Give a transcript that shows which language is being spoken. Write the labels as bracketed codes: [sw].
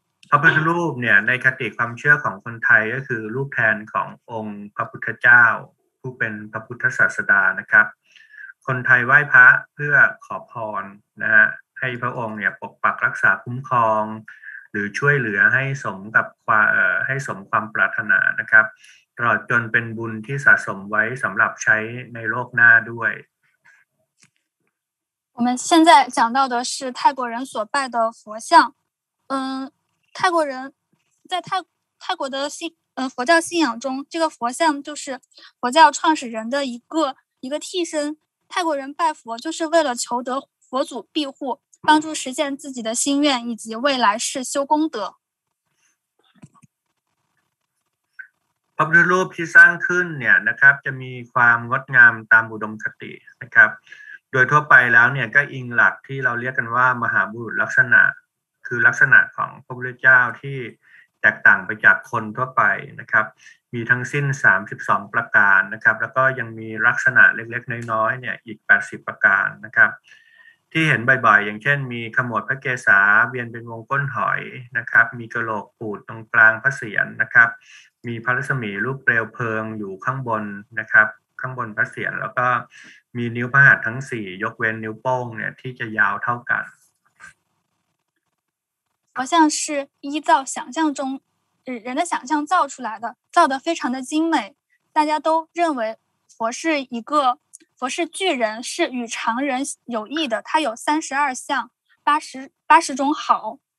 [th] พระพุทธรูปเนี่ยในคติความเชื่อของคนไทยก็คือรูปแทนขององค์พระพุทธเจ้าผู้เป็นพระพุทธศาสดานะครับคนไทยไหว้พระเพื่อขอพรนะฮะให้พระองค์เนี่ยปกปักรักษาคุ้มครองหรือช่วยเหลือให้สมกับความให้สมความปรารถนานะครับตลอดจนเป็นบุญที่สะสมไว้สำหรับใช้ในโลกหน้าด้วย [zh] 我们现在讲到的是泰国人所拜的佛像泰国人在泰国的佛教信仰中，这个佛像就是佛教创始人的一个替身。泰国人拜佛就是为了求得佛祖庇护，帮助实现自己的心愿以及未来世修功德。 [th] พระพุทธรูปที่สร้างขึ้นเนี่ยนะครับจะมีความงดงามตามอุดมคตินะครับโดยทั่วไปแล้วเนี่ยก็อิงหลักที่เราเรียกกันว่ามหาบุรุษลักษณะคือลักษณะของพระพุทธเจ้าที่แตกต่างไปจากคนทั่วไปนะครับมีทั้งสิ้น32ประการนะครับแล้วก็ยังมีลักษณะเล็กๆน้อยๆเนี่ยอีก80ประการนะครับ ที่เห็นบ่อยๆอย่างเช่นมีขมวดพระเกศาเวียนเป็นวงก้นหอยนะครับมีกะโหลกปูดตรงกลางพระเศียรนะครับมีพระรัศมีรูปเปลวเพลิงอยู่ข้างบนนะครับข้างบนพระเศียรแล้วก็มีนิ้วพระหัตถ์ทั้ง4ยกเว้นนิ้วโป้งเนี่ยที่จะยาวเท่ากัน [zh] 佛像是依照想象中人的想象造出来的，造得非常的精美。大家都认为佛是巨人，是与常人有异的。他有32相，80种好。